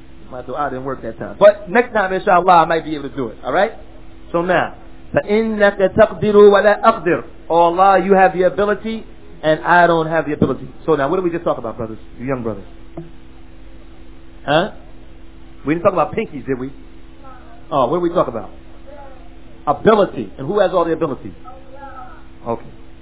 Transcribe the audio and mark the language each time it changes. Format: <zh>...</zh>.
<en>My dua didn't work that time. But next time, inshallah, I might be able to do it, alright? So now,</en> <ar>فَإِنَّكَ تَقْدِرُ وَلَا أَقْدِرُ.</ar> <en>"Oh Allah, you have the ability, and I don't have the ability." So now, what did we just talk about, brothers? You young brothers. Huh? We didn't talk about pinkies, did we? Oh, what did we talk about? Ability. And who has all the ability? Okay.</en>